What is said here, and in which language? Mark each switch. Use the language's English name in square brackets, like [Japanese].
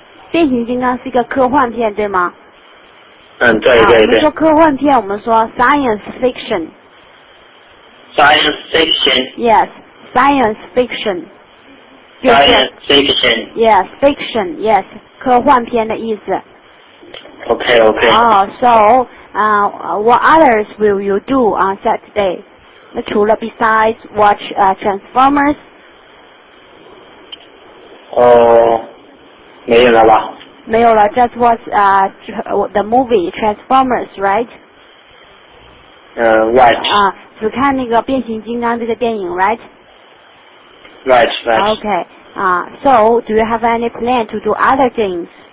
[Chinese] 变形金刚是一个科幻片对吗？对。我们说科幻片我们说 science fiction。 [English] science fiction? Yes, science fiction. Science fiction. Yes, fiction, yes, 科幻片的意思。 Okay. What others will you do on Saturday? 那除了 besides watch Transformers? Just watch the movie Transformers, right? Right. [Chinese] 只看那个变形金刚这个电影 right? [English] Right. Okay. So do you have any plan to do other things?